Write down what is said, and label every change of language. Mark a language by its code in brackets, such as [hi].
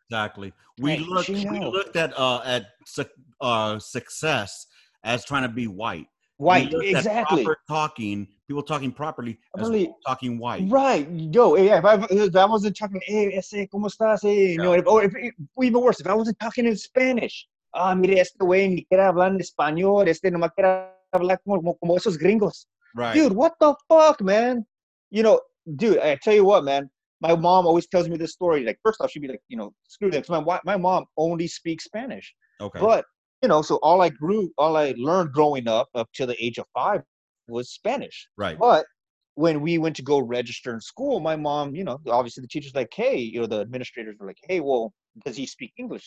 [en] Exactly. We looked at success as trying to be white. White, exactly. People talking properly, really, talking white. Right. Yo, yeah, if I wasn't talking, [es] hey, ese, ¿cómo estás? [en] Hey, you know, if I wasn't talking in Spanish. [es] Ah, mire, este güey ni quiere hablar en español. Este no me quiere hablar como esos gringos. [en] Right. Dude, what the fuck, man? You know, dude, I tell you what, man. My mom always tells me this story. Like, first off, she'd be like, you know, screw them. My mom only speaks Spanish. Okay. But, you know, so all I learned growing up, up to the age of 5, was Spanish. Right. But when we went to go register in school, my mom, you know, obviously the teacher's like, hey, you know, the administrators were like, hey, well, does he speak English?